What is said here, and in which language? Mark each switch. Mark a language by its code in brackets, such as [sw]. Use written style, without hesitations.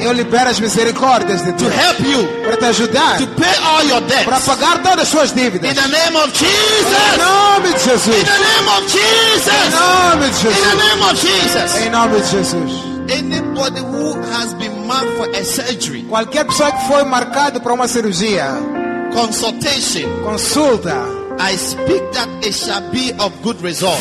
[pt] eu libero as misericórdias de Deus, [en] to help you, [pt] para te ajudar, [en] to pay all your debts, [pt] para pagar todas as suas dívidas, [en] in the name of Jesus, [pt] em nome de Jesus, [en] in the name of Jesus, [pt] em nome de Jesus, [en] in the name of Jesus, [pt] em nome de Jesus. [en] Anybody who has been marked for a surgery, [pt] qualquer pessoa que foi marcado para uma cirurgia, [en] consultation, [pt] consulta, [en] I speak that it shall be of good result.